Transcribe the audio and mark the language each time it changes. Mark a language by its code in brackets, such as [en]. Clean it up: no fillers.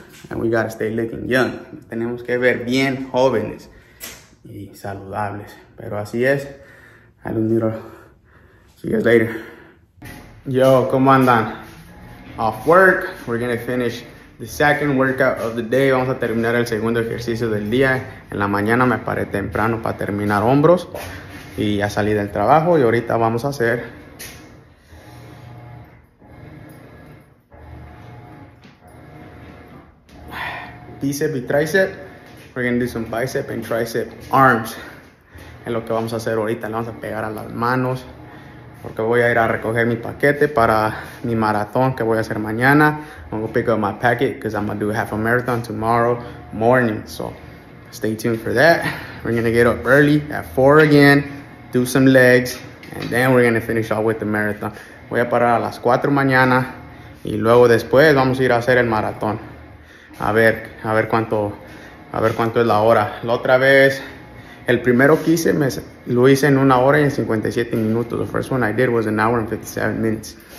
[en] And we gotta stay looking young. [es] Tenemos que ver bien jóvenes y saludables. Pero así es. [en] I don't need to. See you guys later. [es] Yo, ¿cómo andan? [en] Off work. We're gonna finish the second workout of the day. [es] Vamos a terminar el segundo ejercicio del día. En la mañana me paré temprano para terminar hombros y ya salí del trabajo y ahorita vamos a hacer bicep y tricep. [en] We're gonna do some bicep and tricep arms. [es] Es lo que vamos a hacer ahorita. Le vamos a pegar a las manos porque voy a ir a recoger mi paquete para mi maratón que voy a hacer mañana. [en] I'm gonna pick up my packet because I'm gonna do half a marathon tomorrow morning. So stay tuned for that. We're gonna get up early at 4 again, do some legs, and then we're gonna finish off with the marathon. [es] Voy a parar a las 4 mañana y luego después vamos a ir a hacer el maratón. A ver cuánto es la hora. La otra vez, el primero que hice, lo hice en 1 hora y 57 minutos. [en] The first one I did was 1 hour and 57 minutes.